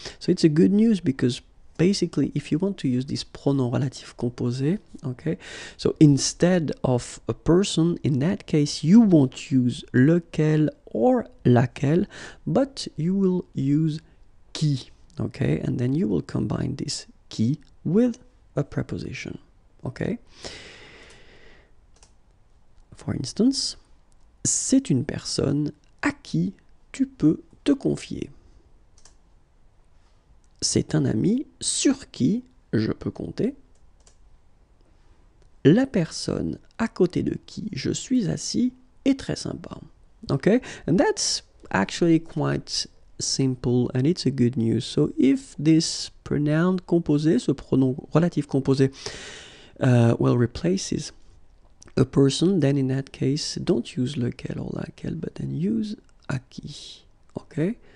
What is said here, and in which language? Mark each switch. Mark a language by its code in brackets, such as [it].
[en] So it's a good news because basically if you want to use this [fr] pronom relatif composé, [en] okay, so instead of a person, in that case you won't use lequel or laquelle, but you will use qui, okay, and then you will combine this qui with a preposition, okay. For instance, [fr] c'est une personne à qui tu peux te confier. C'est un ami sur qui je peux compter. La personne à côté de qui je suis assis est très sympa. [en] Okay, and that's actually quite simple and it's a good news. So if this pronoun composé, [fr] ce pronom relatif composé, [en] well, replaces a person, then in that case, don't use lequel or laquelle, but then use à qui, okay?